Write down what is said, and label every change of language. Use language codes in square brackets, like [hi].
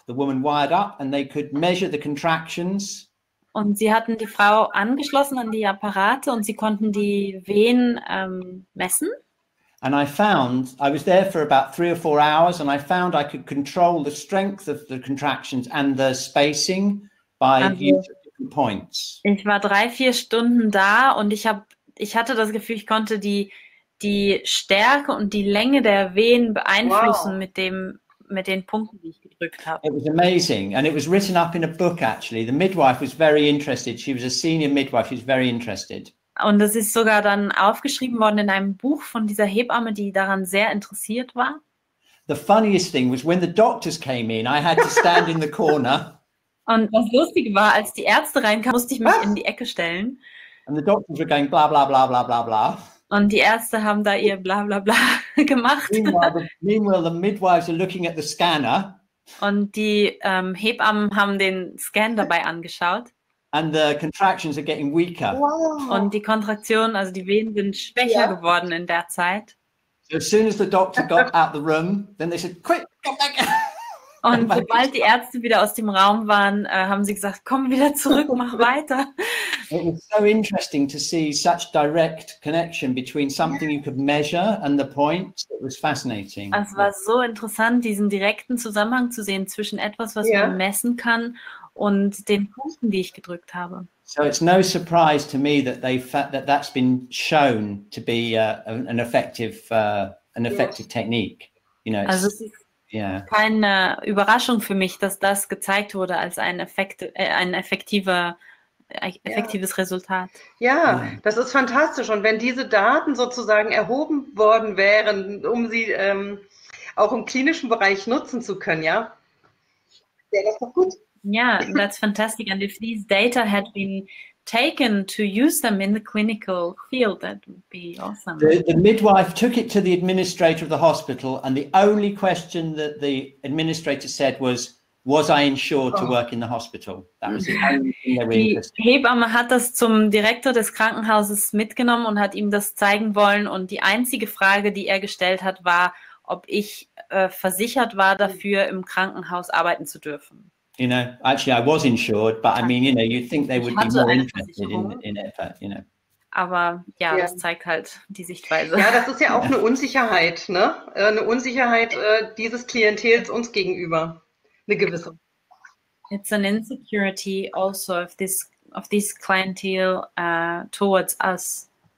[en] The woman wired up and they could measure the contractions. [de] Und sie hatten die Frau angeschlossen an die Apparate und sie konnten die Wehen messen. [en] And I found, I was there for about 3 or 4 hours and I found I could control the strength of the contractions and the spacing by using points. [de] Ich war 3-4 Stunden da und ich hatte das Gefühl, ich konnte die Stärke und die Länge der Wehen beeinflussen mit den Punkten, die ich gedrückt habe. [en] It was amazing. And it was written up in a book, actually. The midwife was very interested. She was a senior midwife. She was very interested. [de] Und das ist sogar dann aufgeschrieben worden in einem Buch von dieser Hebamme, die daran sehr interessiert war. [en] The funniest thing was, when the doctors came in, I had to stand in the corner. [de] Und was lustig war, als die Ärzte reinkamen, musste ich mich in die Ecke stellen. [en] And the doctors were going blah blah blah blah blah blah. [de] Und die Ärzte haben da ihr blah blah blah gemacht. [en] Meanwhile, the midwives are looking at the scanner. [de] Und die Hebammen haben den Scan dabei angeschaut. [en] And the contractions are getting weaker. Wow. [de] Und die Kontraktionen, also die Wehen, sind schwächer geworden in der Zeit. [en] So as soon as the doctor got out the room, then they said, "Quick, come back." [de] Und sobald die Ärzte wieder aus dem Raum waren, haben sie gesagt, komm wieder zurück, mach weiter. [en] It was so interesting to see such direct connection between something you could measure and the point. It was fascinating. [de] Es war so interessant, diesen direkten Zusammenhang zu sehen zwischen etwas, was man messen kann, und den Punkten, die ich gedrückt habe. [en] So it's no surprise to me that that's been shown to be an effective technique. You know, [de] keine Überraschung für mich, dass das gezeigt wurde als ein effektives Resultat. Ja, das ist fantastisch. Und wenn diese Daten sozusagen erhoben worden wären, um sie auch im klinischen Bereich nutzen zu können, wäre das doch gut. [en] Yeah, that's fantastic. And if these data had been taken to use them in the clinical field, that would be awesome. The midwife took it to the administrator of the hospital, and the only question that the administrator said was I insured to work in the hospital? That was the only thing they were interested in. [de] Die Hebamme hat das zum Direktor des Krankenhauses mitgenommen und hat ihm das zeigen wollen, und die einzige Frage, die gestellt hat, war, ob ich versichert war, dafür im Krankenhaus arbeiten zu dürfen. [en] You know, actually, I was insured, but I mean, you know, you'd think they would be more interested in effort, you know. [de] Aber das zeigt halt die Sichtweise. Ja, das ist ja auch eine Unsicherheit, ne? Eine Unsicherheit dieses Klientels uns gegenüber, eine gewisse. [en] It's an insecurity also of this clientele towards us.